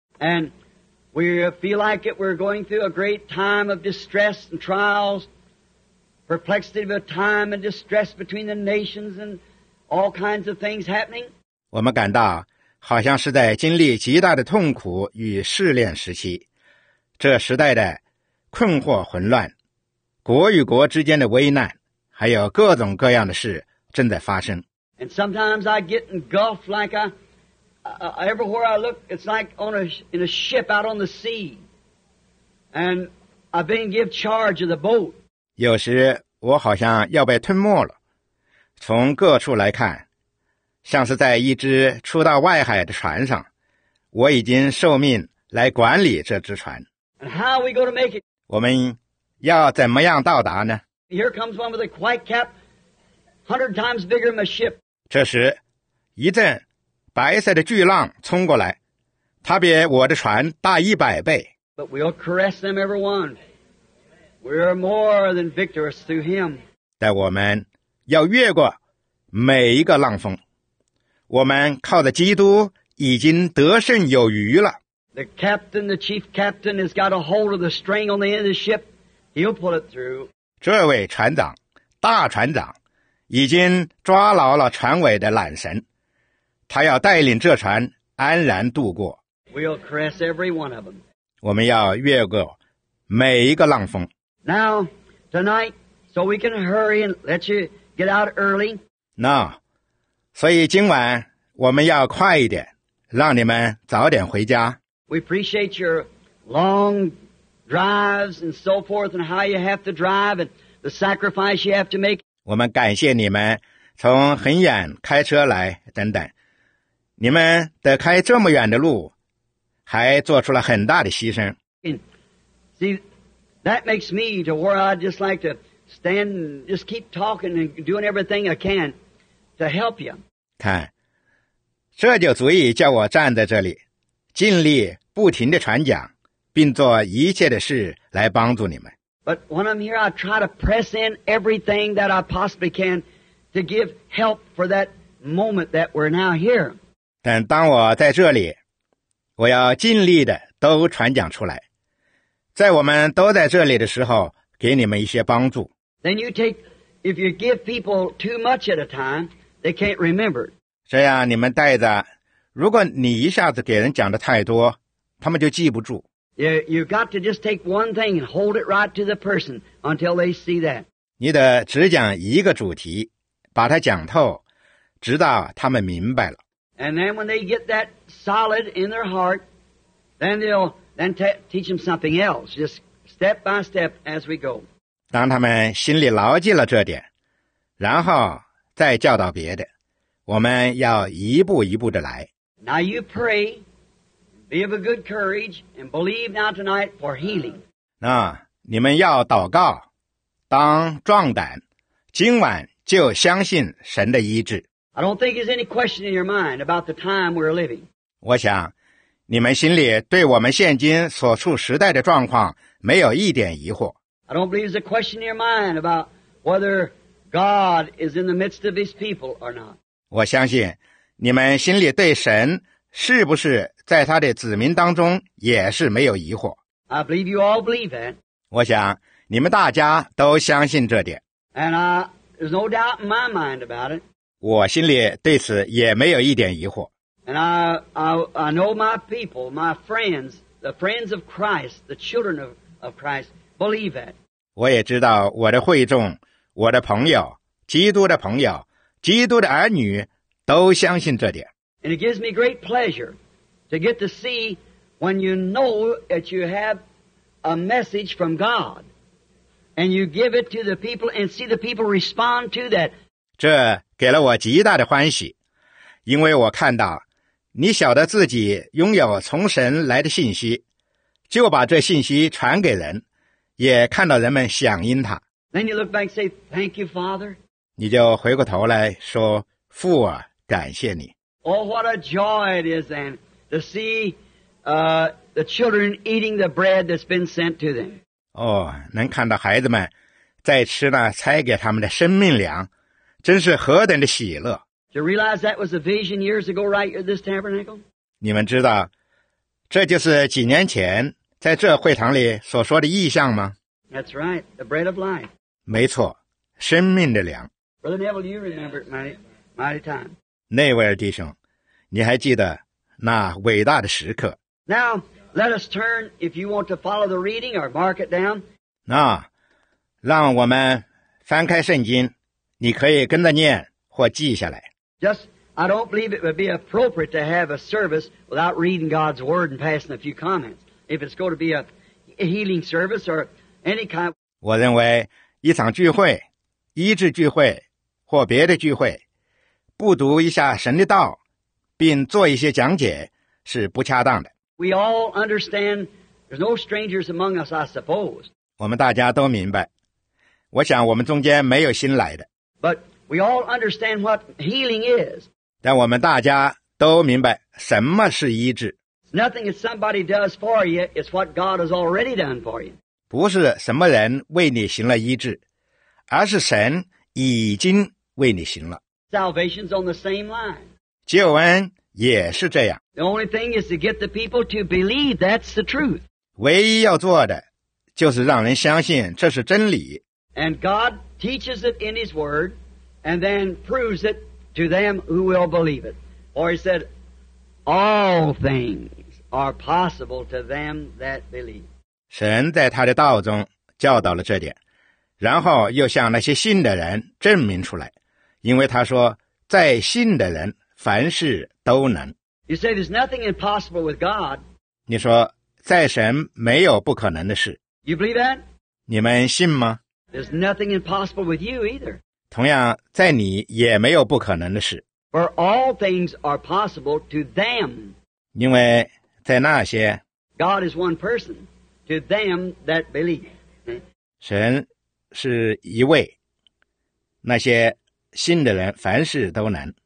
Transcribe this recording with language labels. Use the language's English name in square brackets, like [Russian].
[English] And we feel like it, we're going through a great time of distress and trials, perplexity of time and distress between the nations and all kinds of things happening. [Chinese] 我们感到好像是在经历极大的痛苦与试炼时期，这时代的困惑混乱，国与国之间的危难。还有各种各样的事正在发生。 [English] And sometimes I get engulfed like everywhere I look, it's like in a ship out on the sea. And I've been given charge of the boat. [Chinese] 有时我好像要被吞没了。从各处来看，像是在一只出到外海的船上，我已经受命来管理这只船。 [English] And how are we going to make it? [Chinese] 我们要怎么样到达呢？ [English] Here comes one with a white cap, 100 times bigger than a ship. [Chinese] 这时，一阵白色的巨浪冲过来，它比我的船大100倍。 [English] But we'll caress them, everyone. We are more than victorious through him. [Chinese] 但我们要越过每一个浪峰。我们靠着基督已经得胜有余了。 [English] The captain, the chief captain, has got a hold of the string on the end of the ship. He'll pull it through. [Chinese] 这位船长，大船长，已经抓牢了船尾的缆绳，他要带领这船安然渡过。 [English] We'll caress every one of them. [Chinese] 我们要越过每一个浪峰。 [English] Now, tonight, so we can hurry and let you get out early. [Chinese] Now, 所以今晚我们要快一点，让你们早点回家。 [English] We appreciate your long. Drives and so forth, and how you have to drive, and the sacrifice you have to make. [Chinese] 我们感谢你们从很远开车来等等，你们得开这么远的路，还做出了很大的牺牲。 [English] And see, that makes me to where I just like to stand and just keep talking and doing everything I can to help you. [Chinese] 看，这就足以叫我站在这里，尽力不停地传讲。并做一切的事来帮助你们。 [English] But when I'm here, I try to press in everything that I possibly can to give help for that moment that we're now here. [Chinese] 但当我在这里，我要尽力的都传讲出来，在我们都在这里的时候，给你们一些帮助。 [English] Then you take, if you give people too much at a time, They can't remember. [Chinese] 这样你们带着，如果你一下子给人讲的太多，他们就记不住。 [English] You've got to just take one thing and hold it right to the person until they see that. [Chinese] 你得只讲一个主题，把它讲透，直到他们明白了。 [English] And then when they get that solid in their heart, then they'll then teach them something else, just step by step as we go. [Chinese] 当他们心里牢记了这点，然后再教导别的。我们要一步一步的来。 [English] Now you pray, be of a good courage, and believe now tonight for healing. [Chinese] 那你们要祷告，当壮胆，今晚就相信神的医治。 [English] I don't think there's any question in your mind about the time we're living. [Chinese] 我想，你们心里对我们现今所处时代的状况没有一点疑惑。 [English] I don't believe there's a question in your mind about whether God is in the midst of His people or not. [Chinese] 我相信，你们心里对神是不是在他的子民当中也是没有疑惑。 [English] I believe you all believe that. [Chinese] 我想，你们大家都相信这点。 [English] And there's no doubt in my mind about it. [Chinese] 我心里对此也没有一点疑惑。 [English] And I know my people, my friends, the friends of Christ, the children of Christ, believe that. [Chinese] 我也知道我的会众，我的朋友，基督的朋友，基督的儿女都相信这点。 [English] And it gives me great pleasure to get to see when you know that you have a message from God and you give it to the people and see the people respond to that. [Chinese] 这给了我极大的欢喜，因为我看到你晓得自己拥有从神来的信息，就把这信息传给人，也看到人们响应他。 [English] Then you look back and say, Thank you, Father. [Chinese] 你就回过头来说，父啊，感谢你。 [English] Oh, what a joy it is then to see, the children eating the bread that's been sent to them. [Chinese] 哦，能看到孩子们在吃那差给他们的生命粮，真是何等的喜乐。 [English] Do you realize that was a vision years ago, right at this tabernacle? [Chinese] 你们知道，这就是几年前在这会堂里所说的意象吗？ [English] That's right, the bread of life. [Chinese] 没错，生命的粮。 [English] Brother Neville, you remember it mighty time. [Chinese] 内维尔弟兄，你还记得那伟大的时刻。 [English] Now, let us turn, if you want to follow the reading or mark it down. [Chinese] 那，让我们翻开圣经，你可以跟着念或记下来。 [English] Just, I don't believe it would be appropriate to have a service without reading God's word and passing a few comments. If it's going to be a healing service or any kind. [Chinese] 我认为一场聚会，医治聚会或别的聚会，不读一下神的道并做一些讲解是不恰当的。 [English] We all understand there's no strangers among us, I suppose. [Chinese] 我们大家都明白，我想我们中间没有新来的。 [English] But we all understand what healing is. [Chinese] 但我们大家都明白什么是医治。 [English] It's nothing that somebody does for you, it's what God has already done for you. [Chinese] 不是什么人为你行了医治，而是神已经为你行了。 [English] Salvation's on the same line. [Chinese] 救恩也是这样。 [English] The only thing is to get the people to believe that's the truth. [Chinese] 唯一要做的就是让人相信这是真理。 [English] And God teaches it in His word and then proves it to them who will believe it. Or He said, all things are possible to them that believe. [Chinese] 神在他的道中教导了这点，然后又向那些信的人证明出来。因为他说，在信的人凡事都能。 [English] You say there's nothing impossible with God. [Chinese] 你说在神没有不可能的事。 [English] You believe that? [Chinese] 你们信吗？ [English] There's nothing impossible with you either. [Chinese] 同样，在你也没有不可能的事。 [English] For all things are possible to them. [Chinese] 因为在那些 [English] God is one person to them that believe. [Chinese] 神是一位，那些信的人凡事都能。